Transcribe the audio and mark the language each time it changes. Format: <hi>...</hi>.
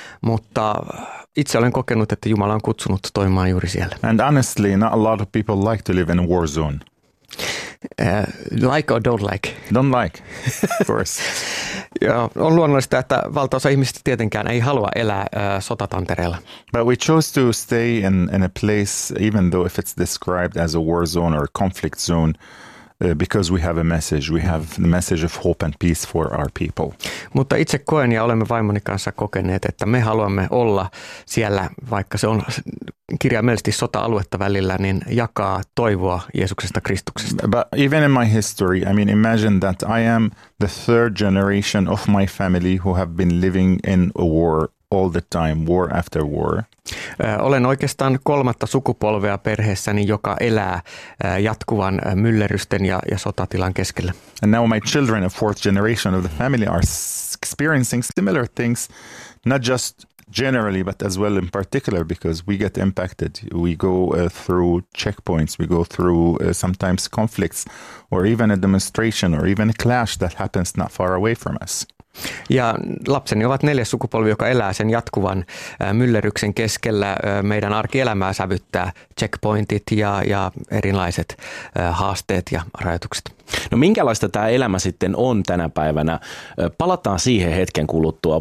<fi>Mutta itse olen kokenut, että Jumala on kutsunut toimimaan juuri siellä.</fi> <en>And honestly, not a lot of people like to live in a war zone. Like or don't like? Don't like, of course.</en> <fi>On luonnollista, että valtaosa ihmisistä tietenkään ei halua elää sotatantereella.</fi> <en>But we chose to stay in a place, even though if it's described as a war zone or a conflict zone, because we have a message. We have the message of hope and peace for our people.</en> <fi>Mutta itse koen ja olemme vaimoni kanssa kokeneet, että me haluamme olla siellä, vaikka se on kirjaimellisesti sota-aluetta välillä, niin jakaa toivoa Jeesuksesta Kristuksesta.</fi> <en>But even in my history, I mean, imagine that I am the third generation of my family who have been living in a war all the time, war after war.</en> <fi>Olen oikeastaan kolmatta sukupolvea perheessäni, joka elää jatkuvan myllerrysten ja sotatilan keskellä.</fi> <en>And now my children, a fourth generation of the family, are experiencing similar things, not just generally, but as well in particular, because we get impacted. We go through checkpoints, we go through sometimes conflicts, or even a demonstration, or even a clash that happens not far away from us.</en> <fi>Ja lapseni ovat neljäs sukupolvi, joka elää sen jatkuvan myllerryksen keskellä. Meidän arkielämää sävyttää checkpointit ja erilaiset haasteet ja rajoitukset. No minkälaista tämä elämä sitten on tänä päivänä? Palataan siihen hetken kuluttua.</fi>